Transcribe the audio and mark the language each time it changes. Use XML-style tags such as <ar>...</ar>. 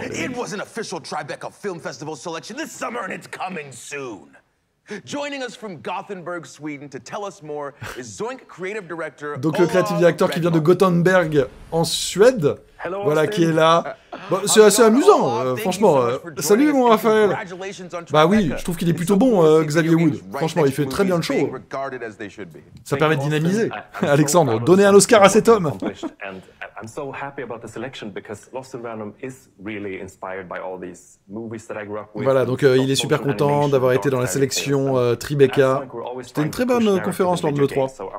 <en>It was an official Tribeca Film Festival selection this summer and it's coming soon. Joining us from Gothenburg, Sweden, to tell us more is Zoink creative director.</en> <fr>Donc le créatif directeur qui vient de Gothenburg en Suède.</fr> <en>Hello,</en> <fr>voilà qui est là. Bon, c'est assez amusant, franchement. Salut mon Raphaël. Bah oui, je trouve qu'il est plutôt bon, Xavier Wood. Franchement, il fait très bien le show. Ça permet de dynamiser. Alexandre, donnez un Oscar à cet homme.</fr> <en>I'm so happy about the selection because Lost in Random is really inspired by all these movies that I grew up with.</en> <fr>Voilà, donc il est super content d'avoir été dans la sélection Tribeca. C'était une très bonne conférence lors de l'E3.</fr>